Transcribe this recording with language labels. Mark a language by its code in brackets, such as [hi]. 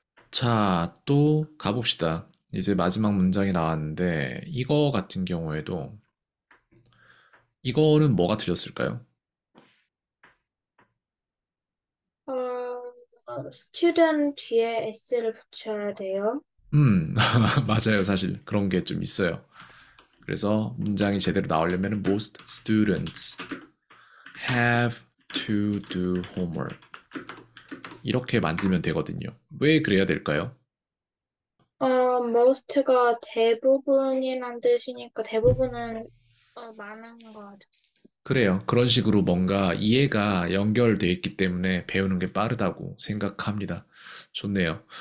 [ko] 자, 또 가봅시다. 이제 마지막 문장이 나왔는데, 이거 같은 경우에도, 이거는 뭐가 틀렸을까요? 스튜던트 뒤에 S를 붙여야 돼요. 맞아요, 사실. 그런 게좀 있어요. 그래서 문장이 제대로 나오려면, [en] most students have to do homework. [ko] 이렇게 만들면 되거든요. 왜 그래야 될까요? most가 대부분이란 뜻이니까 대부분은 많은 것 그래요. 그런 식으로 뭔가 이해가 연결되어 있기 때문에 배우는 게 빠르다고 생각합니다. 좋네요.